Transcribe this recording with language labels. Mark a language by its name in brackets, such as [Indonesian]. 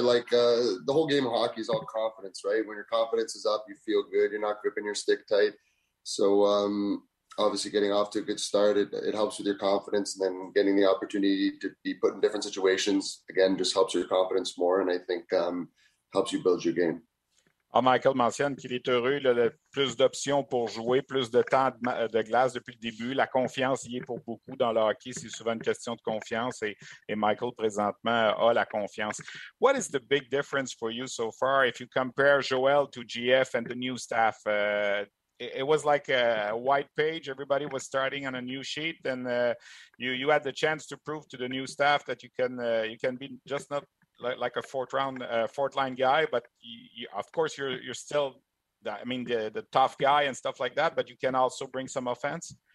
[English] Like the whole game of hockey is all confidence, right? When your confidence is up, you feel good. You're not gripping your stick tight. So obviously getting off to a good start, it helps with your confidence. And then getting the opportunity to be put in different situations, again, just helps your confidence more. And I think helps you build your game. [French] Michael mentionne qu'il est heureux, il a plus d'options pour jouer, plus de temps de glace depuis le début. La confiance y est pour beaucoup dans le hockey. C'est souvent une question de confiance et Michael, présentement, a la confiance. [English] What is the big difference for you so far if you compare Joel to GF and the new staff? It was like a white page. Everybody was starting on a new sheet, and you had the chance to prove to the new staff that you can be just not like a fourth line guy, but you, of course you're still the tough guy and stuff like that, but you can also bring some offense.